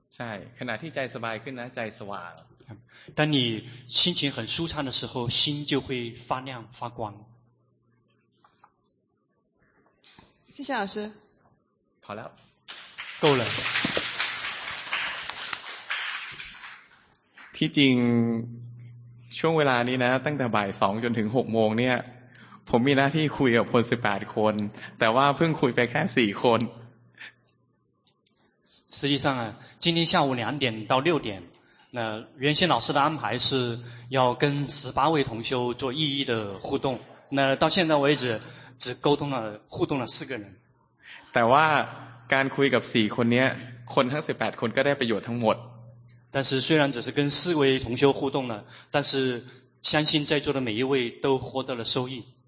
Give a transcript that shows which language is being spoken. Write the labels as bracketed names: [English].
[Thai] ใช่ขณะที่ใจสบายขึ้นนะใจสว่างครับ [Chinese] 当你心情很舒畅的时候心就会发亮发光谢谢老师好了够了 [Thai] ที่จริงช่วงเวลานี้นะตั้งแต่บ่ายสองจนถึงหกโมงเนี่ยผมมีหน้าที่คุยกับคน18คนแต่ว่าเพิ่งคุยไปแค่4คน [Chinese] 实际上啊今天下午2点到6点那原先老师的安排是要跟18位同修做一一的互动那到现在为止只沟通了互动了4个人 [Thai] แต่ว่าการคุยกับ4คนเนี้ยคนทั้ง18คนก็ได้ประโยชน์ทั้งหมด [Chinese] 但是虽然只是跟4位同修互动了但是相信在座的每一位都获得了收益